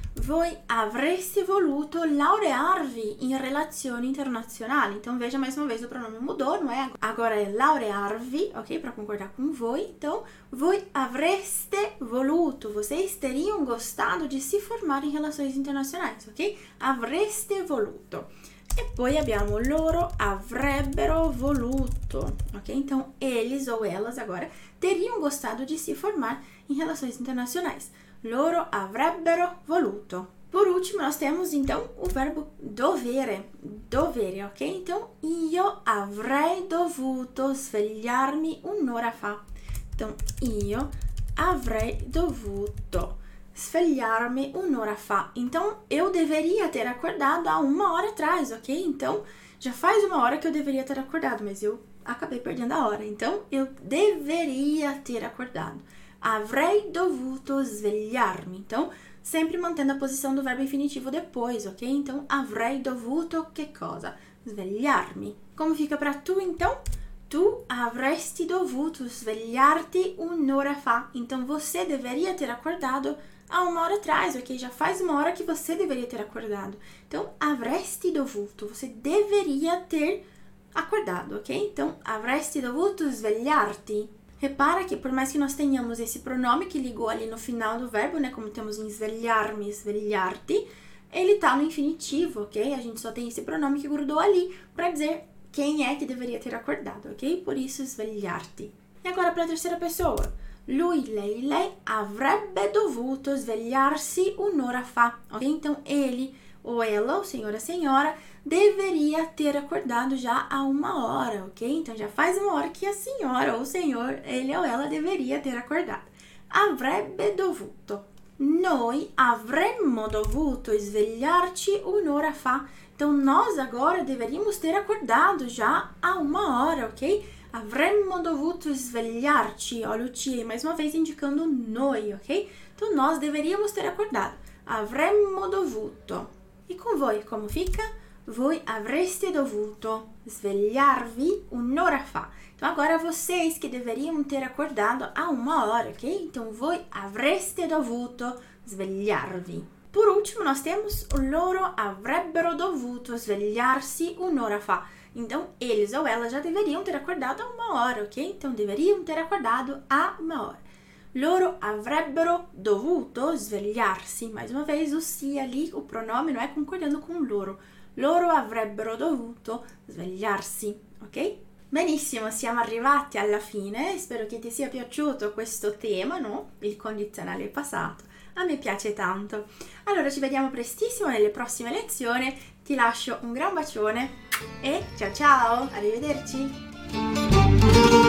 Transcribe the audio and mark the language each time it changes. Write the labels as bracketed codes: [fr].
[it] Voi avreste voluto laurearvi in relazioni internazionali. [pt] Então veja mais uma vez o pronome mudou, não é? Agora é laurearvi, ok? Para concordar com voi. [it] Então, voi avreste voluto. [pt] Vocês teriam gostado de se formar em relações internacionais, ok? [it] Avreste voluto. E poi abbiamo loro avrebbero voluto, ok? [pt] Então, eles ou elas agora teriam gostado de se formar em relações internacionais. [it] Loro avrebbero voluto. [pt] Por último, nós temos então o verbo dovere. [it] Dovere, ok? Então, io avrei dovuto svegliarmi un'ora fa. Então, io avrei dovuto svegliarmi un'ora fa. [pt] Então, eu deveria ter acordado há uma hora atrás, ok? Então, já faz uma hora que eu deveria ter acordado, mas eu acabei perdendo a hora. Então, eu deveria ter acordado. [it] Avrei dovuto svegliarmi. [pt] Então, sempre mantendo a posição do verbo infinitivo depois, ok? [it] Então, avrei dovuto che cosa? Svegliarmi. [pt] Como fica para tu, então? [it] Tu avresti dovuto svegliarti un'ora fa. [pt] Então, você deveria ter acordado há uma hora atrás, ok? Já faz uma hora que você deveria ter acordado. Então, [it] avresti dovuto. [pt] Você deveria ter acordado, ok? [it] Então, avresti dovuto svegliarti. [pt] Repara que, por mais que nós tenhamos esse pronome que ligou ali no final do verbo, né, como temos em svegliarmi, svegliarti, ele tá no infinitivo, ok? A gente só tem esse pronome que grudou ali para dizer quem é que deveria ter acordado, ok? Por isso, svegliarti. E agora, para a terceira pessoa. [it] Lui, lei avrebbe dovuto svegliarsi un'ora fa, ok? [pt] Então, ele ou ela, o senhor, a senhora, deveria ter acordado já há uma hora, ok? Então já faz uma hora que a senhora ou o senhor, ele ou ela, deveria ter acordado. [it] Avrebbe dovuto. Noi avremmo dovuto svegliarci un'ora fa. [pt] Então nós agora deveríamos ter acordado já há uma hora, ok? [it] Avremmo dovuto svegliarci, [pt] ó, Lucia, mais uma vez indicando noi, ok? Então, nós deveríamos ter acordado. [it] Avremmo dovuto. [pt] E com voi, como fica? [it] Voi avreste dovuto svegliarvi un'ora fa. [pt] Então, agora vocês que deveriam ter acordado a uma hora, ok? [it] Então, voi avreste dovuto svegliarvi. [pt] Por último, nós temos [it] loro avrebbero dovuto svegliarsi un'ora fa. [pt] Então, eles ou elas já deveriam ter acordado a uma hora, ok? Então, deveriam ter acordado a uma hora. [it] Loro avrebbero dovuto svegliarsi. [pt] Mais uma vez, o si ali, o pronome, não é concordando com loro. [it] Loro avrebbero dovuto svegliarsi, ok? Benissimo, siamo arrivati alla fine. Spero che ti sia piaciuto questo tema, no? Il condizionale passato. A me piace tanto. Allora, ci vediamo prestissimo nelle prossime lezioni. Ti lascio un gran bacione e ciao ciao! Arrivederci!